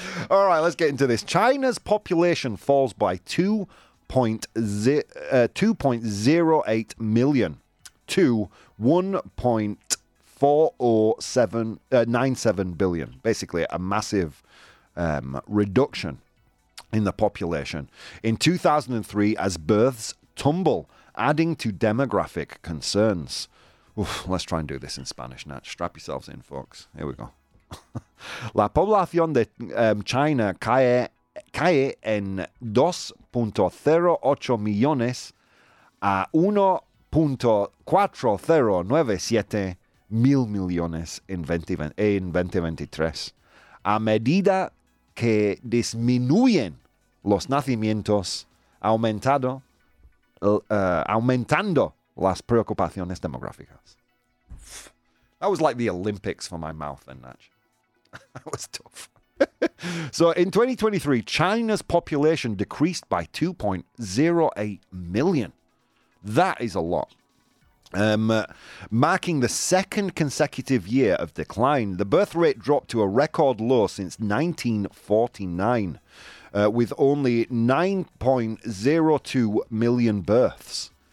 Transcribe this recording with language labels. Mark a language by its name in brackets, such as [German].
[English] All right, let's get into this. China's population falls by 2.08 million to 1.4097 billion. Basically, a massive reduction in the population in 2003 as births tumble, adding to demographic concerns. Oof, let's try and do this in Spanish now. Strap yourselves in, folks. Here we go. [Spanish] La población de China cae en 2.08 millones a 1.4097 mil millones en 2023. A medida que disminuyen los nacimientos, aumentando las preocupaciones demográficas. [English] That was like the Olympics for my mouth then, Natch. That was tough. So in 2023, China's population decreased by 2.08 million. That is a lot. Marking the second consecutive year of decline, the birth rate dropped to a record low since 1949, with only 9.02 million births.